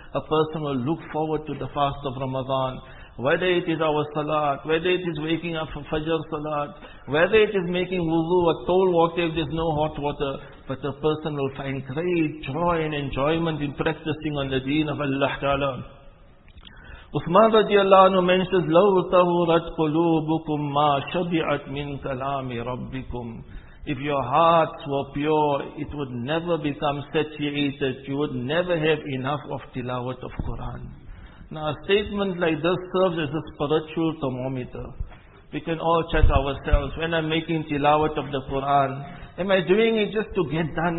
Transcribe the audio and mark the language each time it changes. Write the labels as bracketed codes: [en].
[en] A person will look forward to the fast of Ramadan. Whether it is our salat, whether it is waking up for Fajr salat, whether it is making wudu or cold water if there's no hot water, but a person will find great joy and enjoyment in practicing on the deen of Allah Ta'ala. [ar] Uthman radiallahu anhu [en] mentions, [ar] لَوْ تَهُرَتْ قُلُوبُكُمْ مَا شَبِعَتْ مِنْ كَلَامِ رَبِّكُمْ. [en] If your hearts were pure, it would never become satiated. You would never have enough of tilawat of Quran. Now a statement like this serves as a spiritual thermometer. We can all check ourselves. When I'm making tilawat of the Quran, am I doing it just to get done?